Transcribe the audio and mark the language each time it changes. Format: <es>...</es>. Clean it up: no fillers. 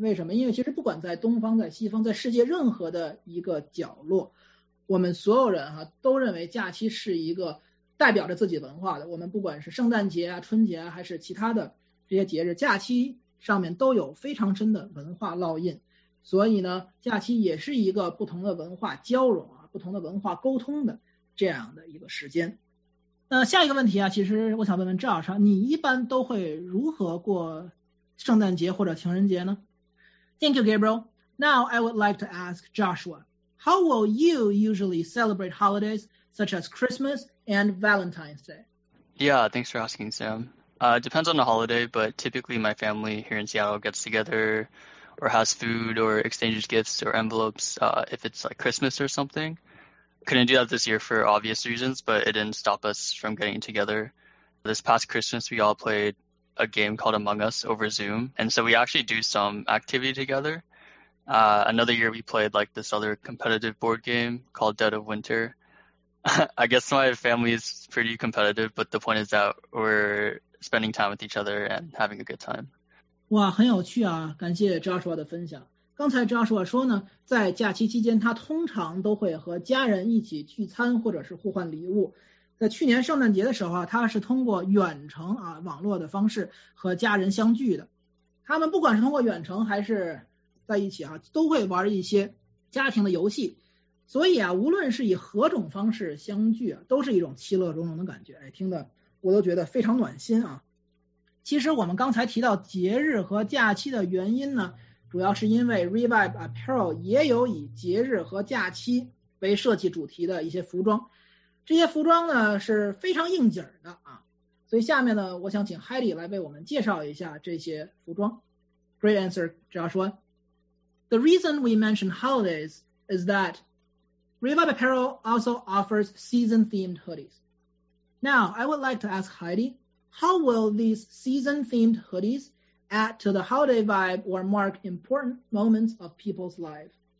<zh>为什么？因为其实不管在东方、在西方、在世界任何的一个角落，我们所有人啊都认为假期是一个代表着自己文化的。我们不管是圣诞节啊、春节啊，还是其他的这些节日，假期上面都有非常深的文化烙印。所以呢，假期也是一个不同的文化交融啊。不同的文化沟通的这样的一个时间。那下一个问题啊，其实我想问问赵老师，你一般都会如何过圣诞节或者情人节呢？</zh> <en>Thank you, Gabriel. Now I would like to ask Joshua, how will you usually celebrate holidays such as Christmas and Valentine's Day? Yeah, thanks for asking, Sam. It depends on the holiday, but typically my family here in Seattle gets together. Or has food or exchanges gifts or envelopes if it's like Christmas or something. Couldn't do that this year for obvious reasons, but it didn't stop us from getting together. This past Christmas, we all played a game called Among Us over Zoom. And so we actually do some activity together. Another year we played like this other competitive board game called Dead of Winter. I guess my family is pretty competitive, but the point is that we're spending time with each other and having a good time.</en> <zh>哇，很有趣啊，感谢 Joshua 的分享。刚才 Joshua 说呢，在假期期间他通常都会和家人一起聚餐或者是互换礼物。在去年圣诞节的时候啊，他是通过远程啊网络的方式和家人相聚的。他们不管是通过远程还是在一起啊，都会玩一些家庭的游戏，所以啊，无论是以何种方式相聚啊，都是一种其乐融融的感觉。哎，听的我都觉得非常暖心啊。其实我们刚才提到节日和假期的原因呢，主要是因为 Revive Apparel 也有以节日和假期为设计主题的一些服装，这些服装呢是非常应景的啊。所以下面呢，我想请 Heidi 来为我们介绍一下这些服装。</zh> <en>Great answer, Joshua. The reason we mention holidays is that Revive Apparel also offers season-themed hoodies. Now, I would like to ask Heidi, how will these season-themed hoodies add to the holiday vibe or mark important moments of people's lives?</en>